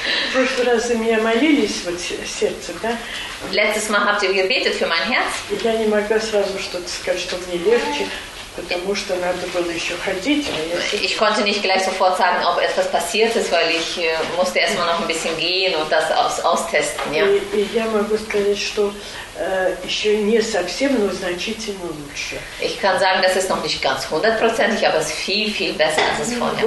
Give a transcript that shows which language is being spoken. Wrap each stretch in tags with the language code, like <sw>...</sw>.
<ru>В прошлый раз вы меня молились, вот сердце, да?</ru> <de>Letztes Mal habt ihr gebetet für mein Herz.</de> <ru>Я не могла сразу что-то сказать, что мне легче, потому что надо было еще ходить.</ru> <de>Ich konnte nicht gleich sofort sagen, ob etwas passiert ist, weil ich musste erstmal noch ein bisschen gehen und das austesten. Ja.</de> <ru>И я могу сказать, что еще не совсем, но значительно лучше.</ru> <de>Ich kann sagen, das ist noch nicht ganz hundertprozentig, aber es ist viel, viel besser als es vorher.</de>